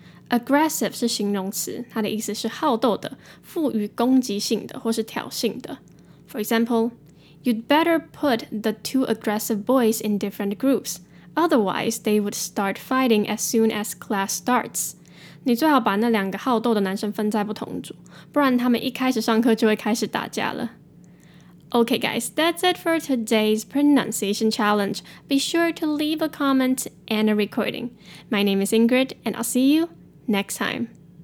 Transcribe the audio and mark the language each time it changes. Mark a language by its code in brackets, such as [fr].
[zh] aggressive 是形容词，它的意思是好斗的、富于攻击性的或是挑衅的。 [en] For example, you'd better put the two aggressive boys in different groups, otherwise they would start fighting as soon as class starts. [zh] 你最好把那两个好斗的男生分在不同组，不然他们一开始上课就会开始打架了。 [en] Okay guys, that's it for today's pronunciation challenge. Be sure to leave a comment and a recording. My name is Ingrid, and I'll see you next time.